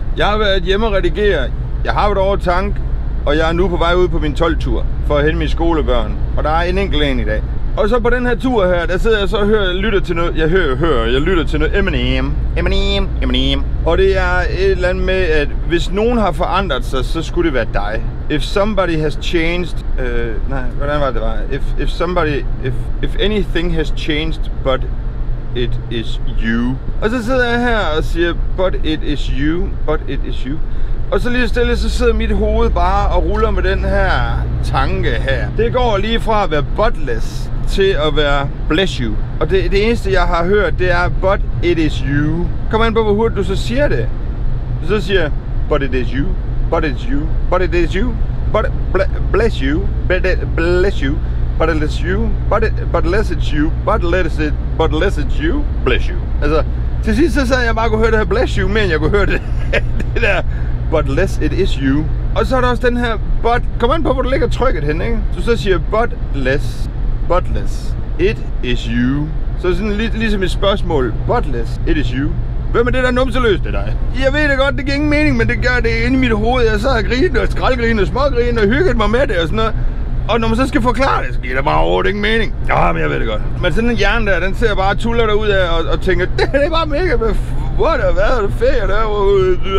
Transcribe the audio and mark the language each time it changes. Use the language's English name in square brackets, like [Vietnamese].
[Danish] Jeg har været hjemme og redigere. Jeg har været over tank, og jeg er nu på vej ud på min 12-tur for at hente mine skolebørn. Og der er en enkelt en i dag. Og så på den her tur her, der sidder jeg så og lytter til noget Eminem. Og det er et eller andet med, at hvis nogen har forandret sig, så skulle det være dig. [English] If somebody has changed, if anything has changed, but it is you. [Danish] Og så sidder jeg her og siger, [English] but it is you. [Danish] Og så lige stille, så sidder mit hoved bare og ruller med den her tanke her. Det går lige fra at være butless til at være [English] bless you. [Danish] Og det eneste jeg har hørt, det er [English] but it is you. [Danish] Kom an på hvor hurtigt du så siger det. Så siger [English] but it is you, but it is you, but it is you, but bless you, but bless you, but it is you, but less it's you, but less it's you, bless you. [Danish] Altså til sidst så sagde jeg bare kunne høre det her [English] bless you, [Danish] men jeg kunne høre det der [English] but less it is you. [Danish] Og så er der også den her but, kom an på hvor du ligger trykket hen, ikke? Så siger [English] but less, butless, it is you. [Danish] Så sådan ligesom et spørgsmål, [English] butless, it is you. [Danish] Hvem er det der numseløst? Det er dig. Jeg ved det godt, det giver ingen mening, men det gør det inde i mit hoved. Jeg sad og grinede og skraldgrinede og smågrinede og hyggede mig med det og sådan noget. Og når man så skal forklare det, så giver det bare overhovedet ingen mening. Ja, men jeg ved det godt. Men sådan en hjerne der, den ser bare tuller der ud af og tænker, det er bare mega, hvad er det ferie derude?